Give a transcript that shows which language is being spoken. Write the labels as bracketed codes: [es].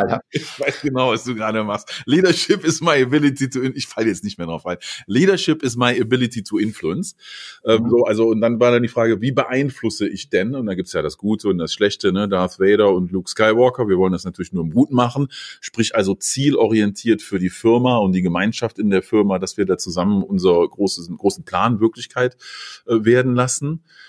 [de] Ich weiß genau, was du gerade machst. [en] Leadership is my ability to, [de] ich falle jetzt nicht mehr drauf ein. [en] Leadership is my ability to influence. [de] Und dann war dann die Frage, wie beeinflusse ich denn? Und da gibt's ja das Gute und das Schlechte, ne? Darth Vader und Luke Skywalker. Wir wollen das natürlich nur im Guten machen. Sprich also zielorientiert für die Firma und die Gemeinschaft in der Firma, dass wir da zusammen unser großen Plan Wirklichkeit werden lassen.